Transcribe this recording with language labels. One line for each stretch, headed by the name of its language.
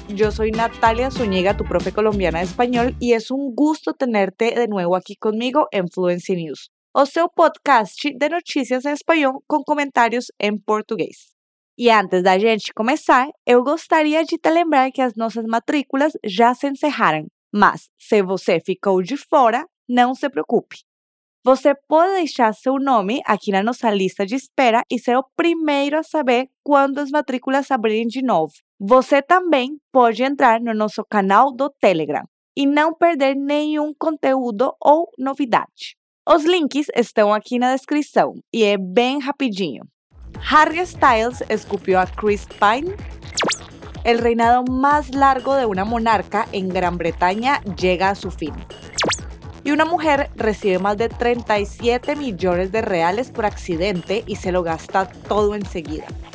Spanish: Yo soy Natalia Zúñiga, tu profe colombiana de español, y es un gusto tenerte de nuevo aquí conmigo en Fluency News, o sea, podcast de noticias en español con comentarios en portugués.
Portuguese: Y antes de a gente começar, eu gostaria de te lembrar que as nossas matrículas já se encerraram, mas se você ficou de fora, não se preocupe. Você pode deixar seu nome aqui na nossa lista de espera e ser o primeiro a saber quando as matrículas abrirem de novo. Você também pode entrar no nosso canal do Telegram e não perder nenhum conteúdo ou novidade. Os links estão aqui na descrição e é bem rapidinho.
Spanish: Harry Styles esculpió a Chris Pine. El reinado más largo de una monarca en Gran Bretaña llega a su fin. Y una mujer recibe más de 37 millones de reales por accidente y se lo gasta todo enseguida.